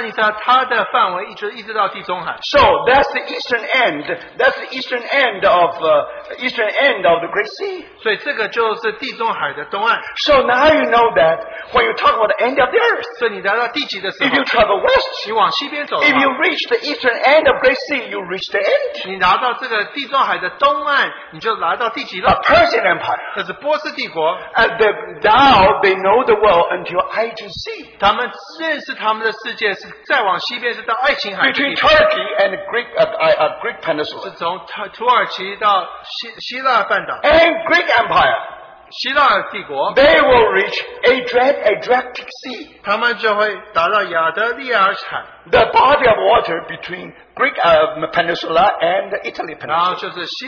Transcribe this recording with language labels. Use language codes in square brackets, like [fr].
[zh] 所以你不加尼他，他的范围一直到地中海。 [en] So that's the eastern end. That's the eastern end of eastern end of the Great Sea. [zh] 所以这个就是地中海的东岸。 [en] So now you know that when you talk about the end of the earth. [zh] 所以你来到地极的时候, [en] if you travel west, [zh] 你往西边走的话, [en] if you reach the eastern end of Great Sea, you reach the end. [zh] 你拿到这个地中海的东岸, 你就来到地极了。 [en] A Persian Empire. [zh] 这是波斯帝国。 [en] And they, now they know the world until I to see. [zh] 他们认识他们的世界是再往西边是到爱琴海。 [en] Between Turkey and Greek, Greek Peninsula. [zh] 是从土耳其到希腊半岛。 [en] And Greek Empire. [zh] 希腊帝国, [en] they will reach Adriatic Sea. [zh] 他们就会达到亚德利亚海, [en] the body of water between Greek peninsula and the Italy peninsula.